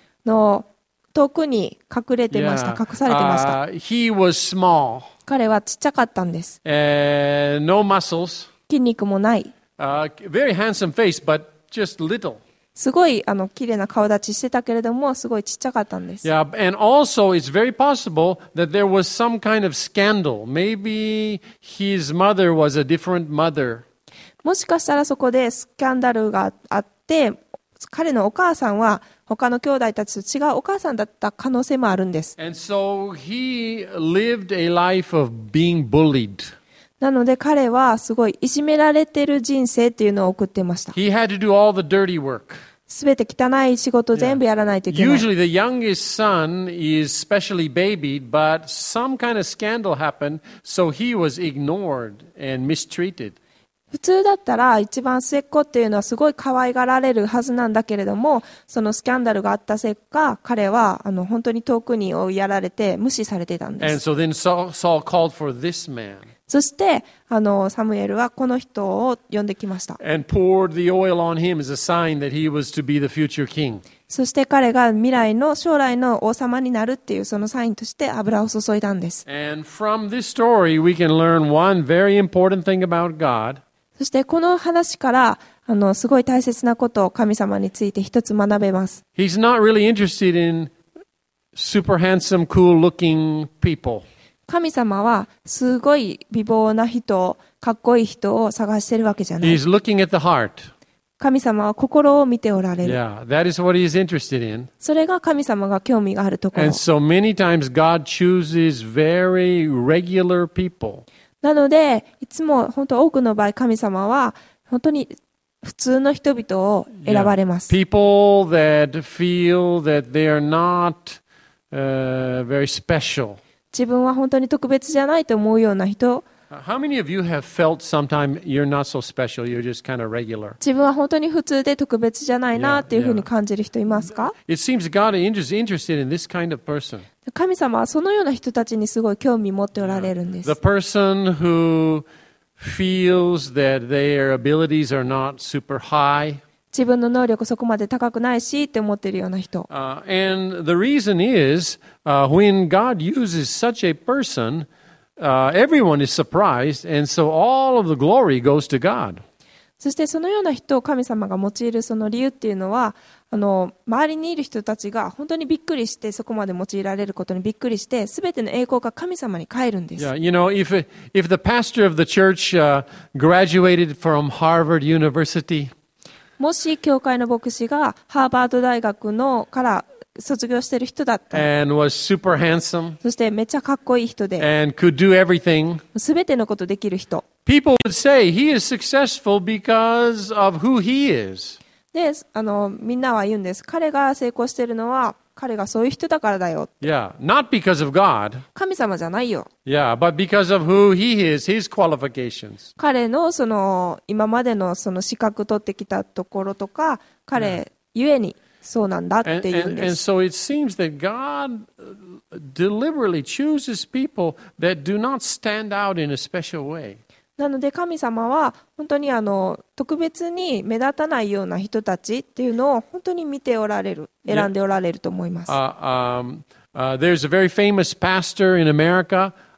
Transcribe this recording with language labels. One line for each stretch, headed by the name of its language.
Japanese: の遠くに隠れてました。隠されてました。
English: He was small.
Japanese: 彼はちっちゃかったんです。
English: No muscles.
Japanese: 筋肉もない。
English: Very handsome face, but just little.
Japanese: すごい綺麗な顔立ちしてたけれども、すごいちっちゃかったんです。
English: Yeah, and also it's very possible that there was some kind of scandal. Maybe his mother was a different mother.
Japanese: もしかしたらそこでスキャンダルがあって、彼のお母さんは他の兄弟たちと違うお母さんだった可能性もあるんです。
English: And so he lived a life of being bullied.
Japanese: なので彼はすごいいじめられてる人生っていうのを送ってました。
English: He had to do all the dirty work.
Japanese: すべて汚い仕事を全部やらないといけない。
English: Usually the youngest son is specially babied, but some kind of scandal happened, so he was ignored and mistreated.
Japanese: 普通だったら一番末っ子っていうのはすごい可愛がられるはずなんだけれども、そのスキャンダルがあったせいか、彼は本当に遠くに追いやられて無視されてたんです。
English: And so then Saul called for this man.
Japanese: そしてサムエルはこの人を呼んできました。
English: And poured the oil on him as a sign that he was to be the future king.
Japanese: そして彼が未来の将来の王様になるっていうそのサインとして油を注いだんです。
English: And from this story we can learn one very important thing about God.
Japanese: そしてこの話からすごい大切なことを神様について一つ学べます。
English: He's not really interested in super handsome, cool looking people.
Japanese: 神様はすごい美貌な人、かっこいい人を探してるわけじゃない。
English: He's looking at the heart.
Japanese: 神様は心を見ておられる。
English: Yeah, that is what he's interested in.
Japanese: それが神様が興味があるところ。
English: And so many times God chooses very regular people.
Japanese: なのでいつも本当多くの場合神様は本当に普通の人々を選ばれます。
English: Yeah. People that feel that they are not, very special.
Japanese: 自分は本当に特別じゃないと思うような人。
English: How many of you have felt sometime you're not so special, you're just kind of regular?
Japanese: 自分は本当に普通で特別じゃないなっていうふうに感じる人いますか?
English: It seems God is interested in this kind of person.
Japanese: 神様はそのような人たちにすごい興味持っておられるんです。
English: The person who feels that their abilities are not super high.
Japanese: 自分の能力そこまで高くないしって思ってるような人。
English: And the reason is, when God uses such a person,everyone is surprised, and so all of the glory goes to God.
Japanese: そしてそのような人を神様が用いるその理由っていうのは、周りにいる人たちが本当にびっくりして、そこまで用いられることにびっくりして、すべての栄光が神様に返るんです。
English: Yeah, you know, if the pastor of the church, graduated from Harvard University,
Japanese: もし教会の牧師がハーバード大学のから卒業してる人だった。
English: And was super handsome.
Japanese: そしてめっちゃかっこいい人で。
English: And could do everything.
Japanese: すべてのことできる人。
English: People would say he is successful because of who he is.
Japanese: で、みんなは言うんです。彼が成功してるのは彼がそういう人だからだよ。
English: Yeah, not because of God.
Japanese: 神様じゃないよ。
English: Yeah, but because of who he is, his qualifications.
Japanese: 彼のその今までのその資格取ってきたところとか、彼ゆえに。そうなんだって言うんです。
English: And so it seems that God deliberately chooses people that do not stand out in a special way.
Japanese: なので神様は本当に特別に目立たないような人たちっていうのを本当に見ておられる、選んでおられると思います。
English: There's a very famous pastor in America.